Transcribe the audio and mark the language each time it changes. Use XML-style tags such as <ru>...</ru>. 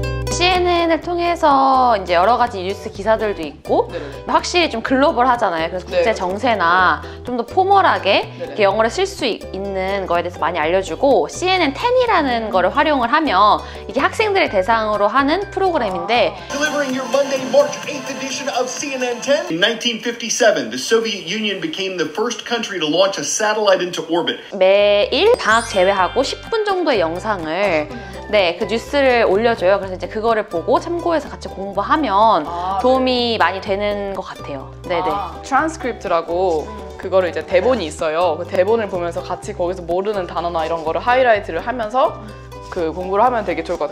<ko>CNN을 통해서 이제 여러 가지 뉴스 기사들도 있고 네네. 확실히 좀 글로벌하잖아요. 그래서 국제 정세나 좀 더 포멀하게 이렇게 영어를 쓸 수 있는 거에 대해서 많이 알려주고 CNN10이라는 거를 활용을 하면 이게 학생들을 대상으로 하는 프로그램인데</ko> <en>Delivering your Monday, March 8th edition of CNN 10 In 1957, the Soviet Union became the first country to launch a satellite into orbit</en> <ko>매일 방학 제외하고 10분 정도의 영상을 네, 그 뉴스를 올려줘요. 그래서 이제 그거를 보고 참고해서 같이 공부하면 도움이 많이 되는 것 같아요. 네네. 트랜스크립트라고 그거를 이제 대본이 있어요. 그 대본을 보면서 같이 거기서 모르는 단어나 이런 거를 하이라이트를 하면서 그 공부를 하면 되게 좋을 것 같아요.</ko>